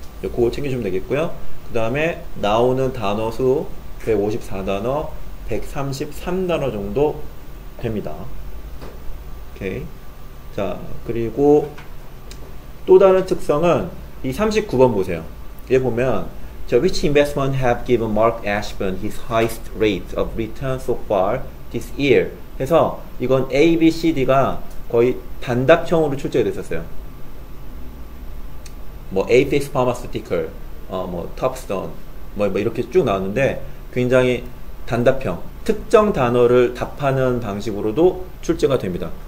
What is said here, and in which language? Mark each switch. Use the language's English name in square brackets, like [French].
[Korean] 그거 챙겨주면 되겠고요. 그 다음에 나오는 단어 수 154단어, 133단어 정도 됩니다. 오케이. 자, 그리고 또 다른 특성은 이 39번 보세요. 여기 보면, [English] Which investment have given Mark Ashburn his highest rate of return so far this year? [Korean] 해서 이건 A, B, C, D가 거의 단답형으로 출제가 됐었어요. 뭐, Apex Pharmaceutical, 뭐, Topstone. 뭐 이렇게 쭉 나왔는데 굉장히 단답형 특정 단어를 답하는 방식으로도 출제가 됩니다.